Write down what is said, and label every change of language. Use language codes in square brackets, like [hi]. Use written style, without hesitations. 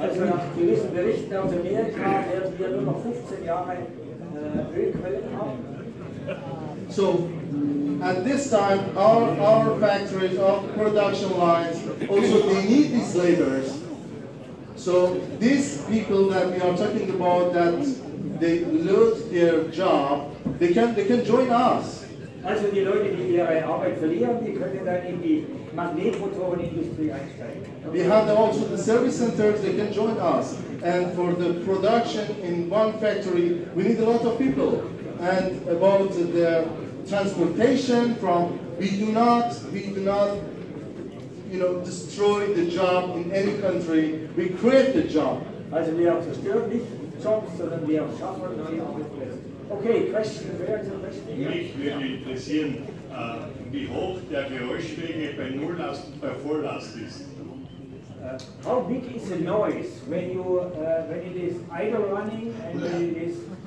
[de] Also nach gewissen Berichten aus Amerika werden wir nur noch 15 Jahre Ölquellen haben. [en] So, at this time, our factories, our production lines, also they need these laborers. So, these people that we are talking about, that they lose their job, they can join us. [de] Also die Leute, die ihre Arbeit verlieren, die können dann in die Magnetmotorenindustrie einsteigen. [en] We have also the service centers, they can join us. And for the production in one factory, we need a lot of people. And about the transportation from, we do not, you know, destroy the job in any country. We create the job. [de] Also wir zerstören nicht Jobs, sondern wir schaffen neue Arbeitsplätze. [en] Okay, question, [de] wer hat eine Frage? Mich würde interessieren, wie hoch der Geräuschpegel bei Nulllast und bei Volllast ist. [en] How big is the noise when it is idle running and when it is